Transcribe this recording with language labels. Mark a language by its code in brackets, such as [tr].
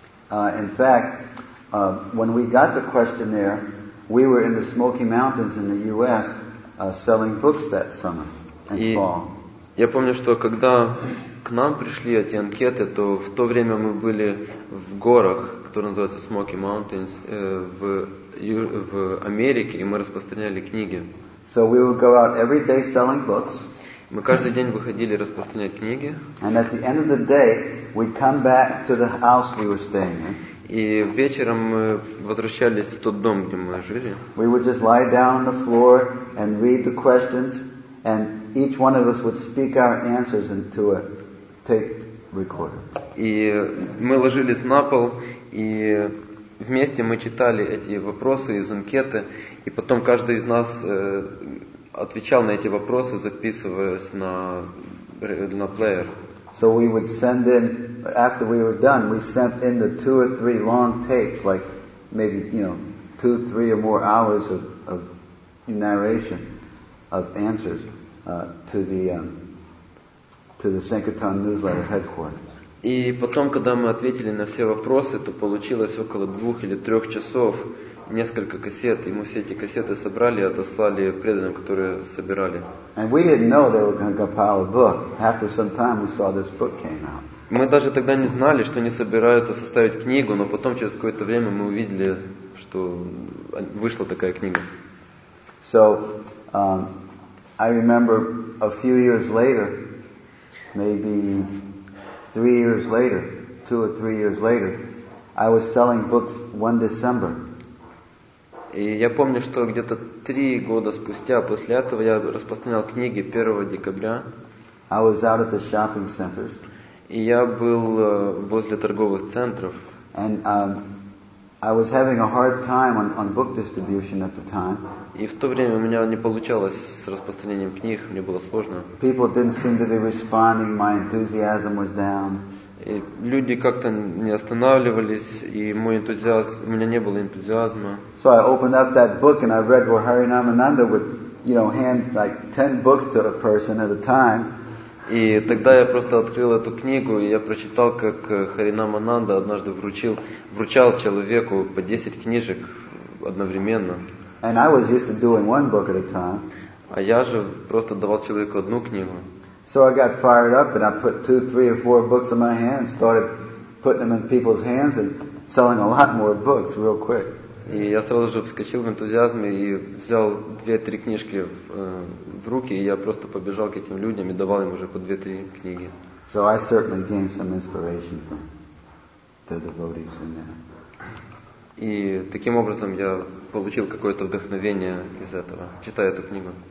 [en] In fact, when we got the questionnaire, we were in the Smoky Mountains in the U.S. Selling books that summer and fall. [ru] Я помню, что когда к нам пришли эти анкеты, то в то время мы были в горах, которые называются Smoky Mountains, в Америке, и мы распространяли книги. [en] So we would go out every day selling books. [ru] Мы каждый день выходили распространять книги. [en] And at the end of the day, we'd come back to the house we were staying in. [ru] И вечером мы возвращались в тот дом, где мы жили. [en] We would just lie down on the floor and read the questions, and each one of us would speak our answers into a tape recorder. [ru] И мы ложились на пол, и вместе мы читали эти вопросы из анкеты, и потом каждый из нас отвечал на эти вопросы, записываясь на плеер. [en] So we would send in, after we were done, we sent in the two or three long tapes, like maybe, you know, two, three or more hours of narration of answers to the Sankirtan newsletter headquarters. [ru] И потом, когда мы ответили на все вопросы, то получилось около двух или трех часов несколько кассет, и мы все эти кассеты собрали и отослали преданным, которые собирали. Мы даже тогда не знали, что они собираются составить книгу, но потом через какое-то время мы увидели, что вышла такая книга. [en] So, I remember a few years later, maybe 3 years later, 2 or 3 years later, I was selling books one December. [ru] И я помню, что где-то 3 года спустя после этого я распространял книги 1 декабря. [en] I was out at the shopping centers. [ru] И я был возле торговых центров. [en] And I was having a hard time on book distribution at the time. [ru] И в то время у меня не получалось с распространением книг, мне было сложно. [en] People didn't seem to be responding, my enthusiasm was down. [ru] И люди как-то не останавливались, и мой энтузиазм, у меня не было энтузиазма. [en] So I opened up that book and I read where Hari Namananda would, you know, hand like 10 books to a person at a time. [ru] И тогда я просто открыл эту книгу, и я прочитал, как Хари Намананда однажды вручал человеку по 10 книжек одновременно. [en] And I was used to doing one book at a time. [ru] А я же просто давал человеку одну книгу. [en] So I got fired up and I put 2, 3, or 4 books in my hand, started putting them in people's hands and selling a lot more books real quick. [ru] И я сразу же вскочил в энтузиазме и взял 2-3 книжки в руки, и я просто побежал к этим людям и давал им уже по 2-3 книги. [en] So I certainly gained some inspiration from the devotees in there. [ru] И таким образом я получил какое-то вдохновение из этого, читая эту книгу.